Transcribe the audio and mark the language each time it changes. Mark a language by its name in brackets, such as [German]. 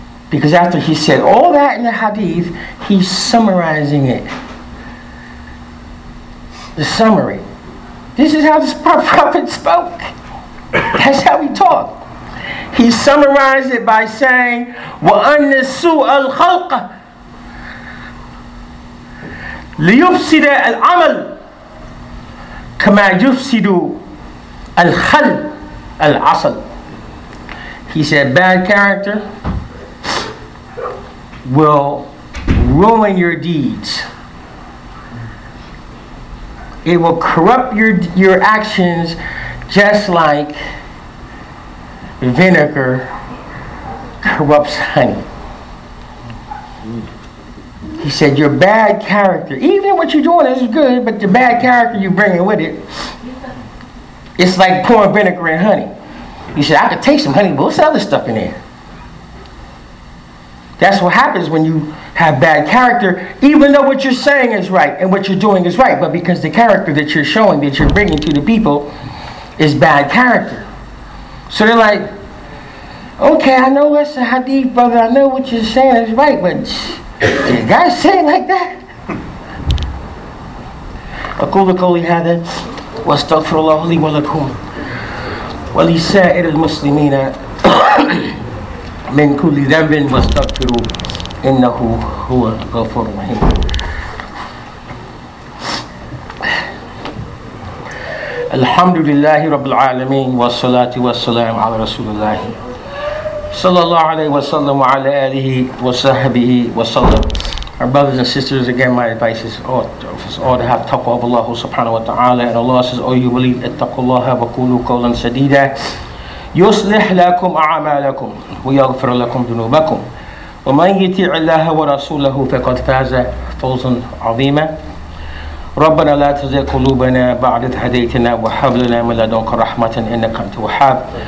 [English] Because after he said all that in the hadith, he's summarizing it. The summary. This is how the prophet spoke. That's how he talked. He summarized it by saying, [Arabic] وَأَنَّ سُوءَ الْخَلْقِ لِيُفْسِدَ الْعَمَلِ كَمَا يُفْسِدُ الْخَلْقِ الْعَصَلِ. [English] He said, bad character will ruin your deeds. It will corrupt your actions just like vinegar corrupts honey. He said, your bad character, even what you're doing is good, but the bad character you're bringing with it, it's like pouring vinegar and honey. He said, I could taste some honey, but what's the other stuff in there? That's what happens when you have bad character, even though what you're saying is right and what you're doing is right, but because the character that you're showing, that you're bringing to the people, is bad character. So they're like, okay, I know that's a hadith, brother. I know what you're saying is right, but did you guys say it like that? [Arabic] أقول قولي هذا واستغفر الله لي ولكم ولسائر المسلمين من كل ذنب واستغفروا إنه هو الغفور الرحيم. الحمد لله رب العالمين والصلاة والسلام على رسول الله صلى الله عليه وسلم وعلى آله وصحبه وسلم. [English] Our brothers and sisters, again, my advice is all to have taqwa of Allah subhanahu wa ta'ala. And Allah says, oh, you believe, [Arabic] اتقوا الله وقولوا قولا سديدا يصلح لكم أعمالكم ويغفر لكم ذنوبكم ومن يطع الله ورسوله فقد فاز فوزا عظيما. ربنا لا تزغ قلوبنا بعد إذ هديتنا وهب لنا من لدنك رحمة إنك أنت الوهاب.